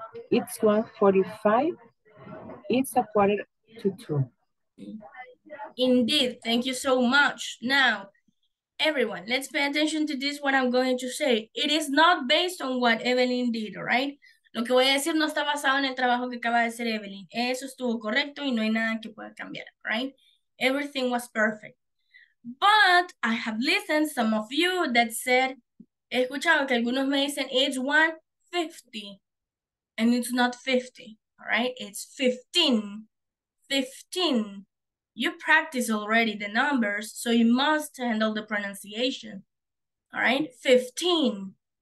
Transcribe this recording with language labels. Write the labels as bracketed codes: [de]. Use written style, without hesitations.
[en] It's 1:45. It's 1:45. Indeed, thank you so much. Now, everyone, let's pay attention to this, what I'm going to say. It is not based on what Evelyn did, all right? [es] Lo que voy a decir no está basado en el trabajo que acaba de hacer Evelyn. Eso estuvo correcto y no hay nada que pueda cambiar, right? [en] Everything was perfect. But I have listened some of you that said, [es] he escuchado que algunos me dicen, [en] it's 1:50, and it's not 50, all right? It's 15. 15. You practice already the numbers, so you must handle the pronunciation, all right? 15.